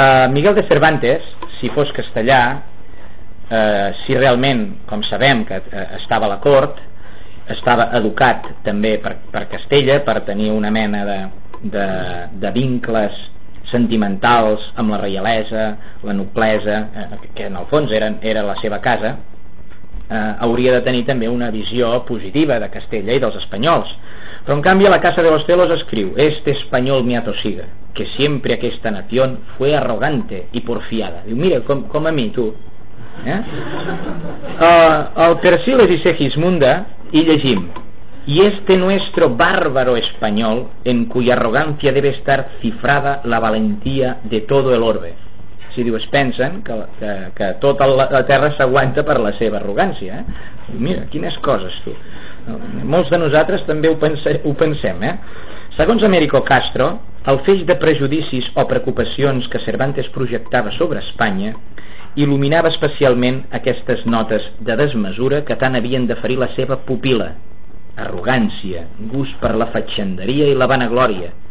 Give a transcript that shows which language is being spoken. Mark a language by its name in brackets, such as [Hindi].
[Catalan] Miguel de Cervantes, si fos castellà, si realment, com sabem, que estava a la cort, estava educat també per Castella, per tenir una mena de vincles sentimentals amb la reialesa, la noblesa, que en el fons era la seva casa, hauria de tenir també una visió positiva de Castella i dels espanyols. Però en canvi [Spanish] a la Casa de los Celos [Catalan] escriu: [Spanish] este español me atosiga, que siempre aquesta nación fue arrogante y porfiada. [Catalan] Diu, mira, com a mi, tu. [Spanish] El Persiles i Segismunda [Catalan] hi llegim: [Spanish] y este nuestro bárbaro español, en cuya arrogancia debe estar cifrada la valentía de todo el orbe. [Catalan] Si diu, es pensen que tota la terra s'aguanta per la seva arrogància, eh? Mira, quines coses, tu. Molts de nosaltres també ho pensem, eh? Segons Américo Castro, el feix de prejudicis o preocupacions que Cervantes projectava sobre Espanya il·luminava especialment aquestes notes de desmesura que tant havien de ferir la seva pupila: arrogància, gust per la fatxenderia i la vanaglòria.